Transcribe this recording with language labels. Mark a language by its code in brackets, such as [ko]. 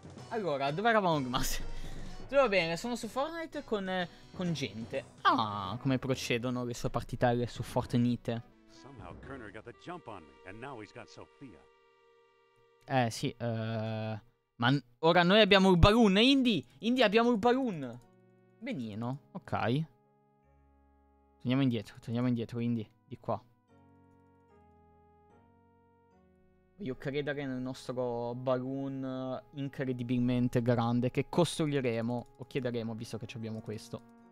[it] Allora, dove eravamo rimasti? Tutto va bene, sono su Fortnite con gente. Ah, come procedono le sue partitelle su Fortnite? [en] Somehow Kerner got the jump on me and now he's got Sofia. [it] Ma ora noi abbiamo il balloon, Indy abbiamo il balloon. Benino, ok. Torniamo indietro, Indy, di qua. Voglio credere nel nostro balloon incredibilmente grande che costruiremo o chiederemo, visto che abbiamo questo.